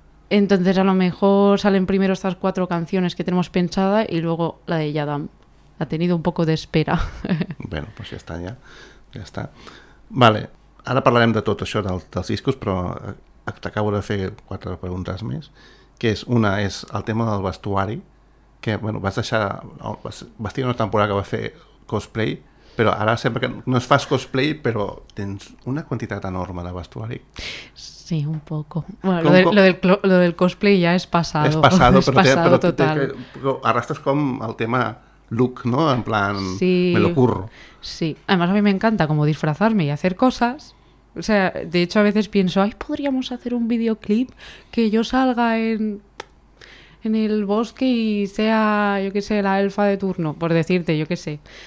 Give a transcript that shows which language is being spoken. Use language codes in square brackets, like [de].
[es] Entonces a lo mejor salen primero estas cuatro canciones que tenemos pensada y luego la de Yadam. Ha tenido un poco de espera. Bueno, pues ya está, ya está. [ca] Vale, ara parlarem de tot això dels discos, però t'acabo de fer quatre preguntes més, que és una, és el tema del vestuari, que bueno, vas tenir una temporada que vas fer cosplay, però ara sempre que no es fas cosplay, però tens una quantitat enorme de vestuari. [es] Sí, un poco. Bueno, lo del cosplay ya es pasado. Es pasado, pero es pasado total. Arrastras con el tema look, ¿no? En plan, sí, me lo curro. Sí, además a mí me encanta como disfrazarme y hacer cosas. O sea, de hecho a veces pienso, ay, podríamos hacer un videoclip que yo salga en el bosque y sea, yo qué sé, la elfa de turno, por decirte, yo qué sé.